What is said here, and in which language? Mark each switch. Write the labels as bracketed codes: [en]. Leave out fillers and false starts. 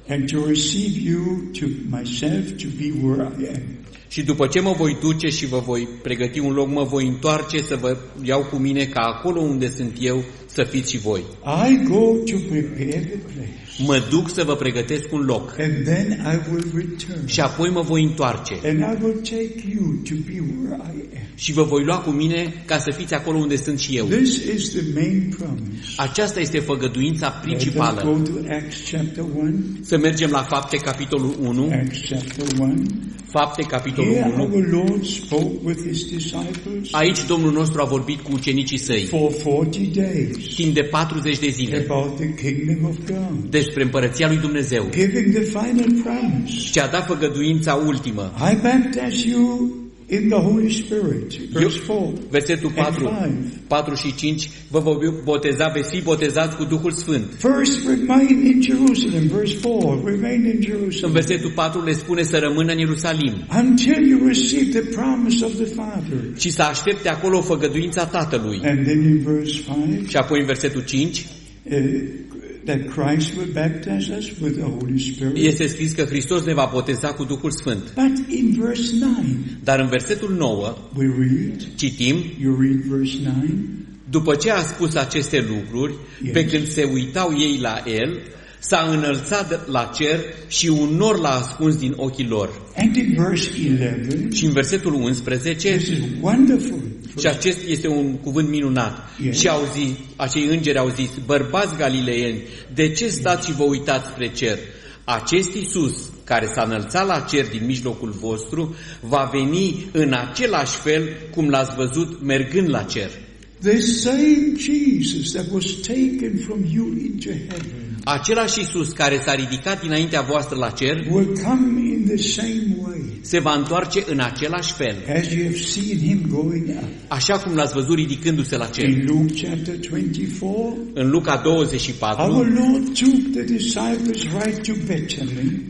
[en] And to receive you to myself to be where I am. [ro] Și după ce mă voi duce și vă voi pregăti un loc, mă voi întoarce să vă iau cu mine ca acolo unde sunt eu să fiți și voi. [en] I go to prepare the place. [ro] Mă duc să vă pregătesc un loc. [en] And then I will return. [ro] Și apoi mă voi întoarce. [en] And I will take you to be where I am. [ro] Și vă voi lua cu mine ca să fiți acolo unde sunt și eu. [en] This is the main promise. [ro] Aceasta este făgăduința principală. [en] Let's go to Acts chapter 1. [ro] Să mergem la Fapte capitolul 1. [en] Acts chapter 1. [ro] Fapte capitolul 1. [en] Here our Lord spoke with his disciples. [ro] Aici Domnul nostru a vorbit cu ucenicii săi. [en] For 40 days. [ro] Timp de 40 de zile. [en] About the kingdom of God. [ro] Despre împărăția lui Dumnezeu. [en] Giving the final promise. [ro] Și a dat făgăduința ultimă. [en] I baptize you in the Holy Spirit. Verse 4. [ro] Versetul 4. 4 și 5. Vă voi boteza, veți fi botezați cu Duhul Sfânt. [en] First remain in Jerusalem. Verse 4. Remain in Jerusalem. [ro] În versetul 4 le spune să rămână în Ierusalim. [en] Until you receive the promise of the Father. [ro] Și să aștepte acolo făgăduința Tatălui. [en] And then in verse 5. [ro] Și apoi în versetul 5. [en] That Christ will baptize us with the Holy Spirit. [ro] Este scris că Hristos ne va boteza cu Duhul Sfânt. [en] But in verse 9. [ro] Dar în versetul 9. [en] We read. [ro] Citim. [en] You read verse 9. [ro] După ce a spus aceste lucruri, yes. Pe când se uitau ei la el, s-a înălțat la cer și un nor l-a ascuns din ochii lor. [en] And in verse 11. [ro] Și în versetul 11. [en] This is wonderful. [ro] Și acest este un cuvânt minunat. [en] Yes. [ro] Și au zis, acei îngeri au zis, bărbați galileeni, de ce stați și vă uitați spre cer? Acest Iisus, care s-a înălțat la cer din mijlocul vostru, va veni în același fel cum l-ați văzut mergând la cer. [en] The same Jesus that was taken from you into heaven. [ro] Același Iisus care s-a ridicat dinaintea voastră la cer [en] will come in the same way. [ro] Se va întoarce în același fel. [en] As you have seen him going up. [ro] Așa cum l-ați văzut ridicându-se la cer. [en] In Luke chapter 24, [ro] în Luca 24, [en] our Lord took the disciples right to Bethany.